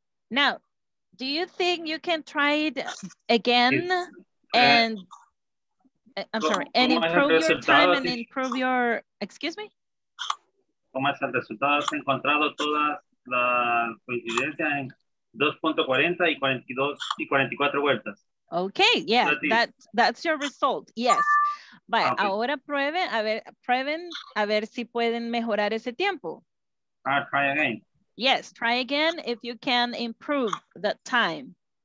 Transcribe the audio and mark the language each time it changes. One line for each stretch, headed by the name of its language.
English: Now, do you think you can try it again and improve your time and improve your, excuse me?
Spanish: ¿Cómo es el resultado? ¿Has encontrado todas las coincidencias en 2.40 y 42 y 44 vueltas?
English: Okay, yeah, that's your result, yes. Vale, okay.
Spanish: Ahora prueben a ver si pueden mejorar ese tiempo.
English: Try again. Yes, try again if you can improve the time.